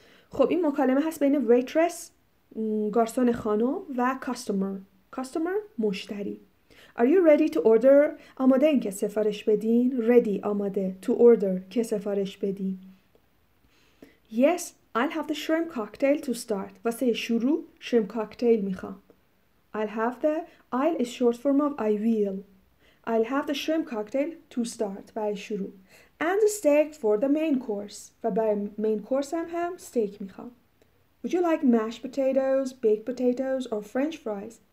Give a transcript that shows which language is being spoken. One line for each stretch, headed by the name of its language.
Persian: خب این مکالمه هست بین waitress، گارسون خانم، و customer. Customer، مشتری.
English: Are you ready to order؟
Persian: آماده این که سفارش بدین؟
English: Ready،
Persian: آماده. To order، که سفارش بدین.
English: Yes، I'll have the shrimp cocktail to start.
Persian: واسه شروع، shrimp cocktail میخوام.
English: I'll is short form of I will. I'll have the shrimp cocktail to start،
Persian: برای شروع.
English: And a steak for the main course.
Persian: و برای main course هم steak میخوام.
English: Would you like mashed potatoes, baked potatoes or french fries?